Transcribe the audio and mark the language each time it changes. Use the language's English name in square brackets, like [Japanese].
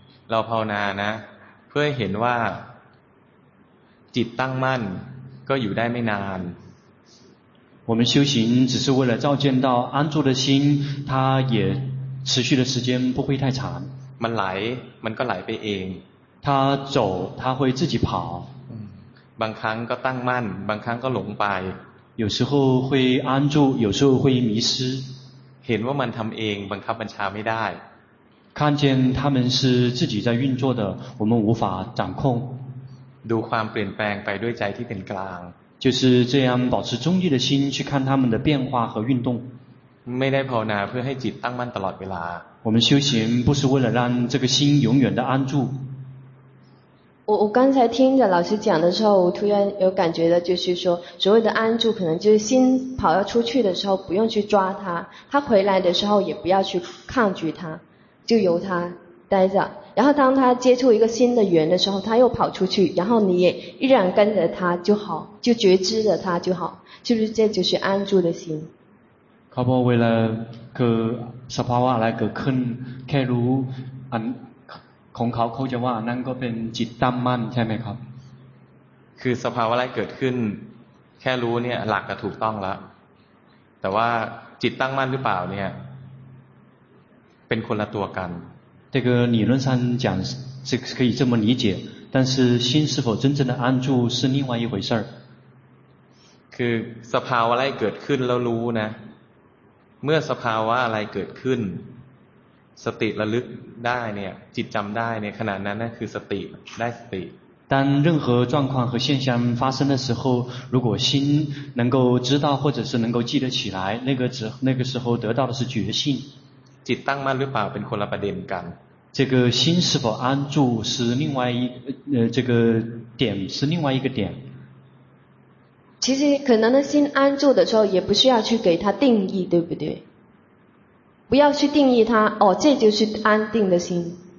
[Thai] เราภาวนานะเพื่อเห็นว่าจิตตั้งมั่นก็อยู่ได้ไม่นาน [Chinese] 我们修行只是为了照见到安住的心它也持续的时间不会太长 [Thai] มันไหลมันก็ไหลไปเอง [Chinese] 它走它会自己跑 [Thai] บางครั้งก็ตั้งมั่นบางครั้งก็หลงไป [Chinese] 有时候会安住有时候会迷失 [Thai] เห็นว่ามันทำเองบังคับบัญชาไม่ได้ [Chinese] 看见他们是自己在运作的我们无法掌控 [Thai] ดูความเปลี่ยนแปลงไปด้วยใจที่เป็นกลาง [Chinese] 就是这样保持中立的心去看他们的变化和运动 [Thai] ไม่ได้ภาวนาเพื่อให้จิตตั้งมั่นตลอดเวลา [Chinese] 我们修行不是为了让这个心永远的安住我刚才听着老师讲的时候，我突然有感觉的，就是说所谓的安住，可能就是心跑要出去的时候，不用去抓它，它回来的时候也不要去抗拒它，就由它待着。然后当它接触一个新的缘的时候，它又跑出去，然后你也依然跟着它就好，就觉知着它就好，是不是？这就是安住的心。 [Thai] ครับ เวลาเกิดสภาวะอะไรเกิดขึ้นแค่รู้อันของเขาเขาจะว่านั่นก็เป็นจิตตั้มมั่นใช่ไหมครับ คือสภาวะอะไรเกิดขึ้นแค่รู้เนี่ยหลักก็ถูกต้องแล้วแต่ว่าจิตตั้งมั่นหรือเปล่าเนี่ยเป็นคนละตัวกัน [Chinese] 这个理论上讲是可以这么理解但是心是否真正的安住是另外一回事 [Thai] คือสภาวะอะไรเกิดขึ้นแล้วรู้นะเมื่อสภาวะอะไรเกิดขึ้นสติระลึกได้เนี่ยจิตจำได้เนี่ยขณะนั้นนั่นคือสติได้สติ [Chinese] 当任何状况和现象发生的时候如果心能够知道或者是能够记得起来那个时候得到的是觉性 [Thai] จิตตั้งมั่นหรือเปล่าเป็นคนละประเด็นกัน [Chinese] 这个心是否安住是另外一这个点是另外一个点其实可能的心安住的时候也不需要去给它定义对不对不要去定义它哦这就是安定的心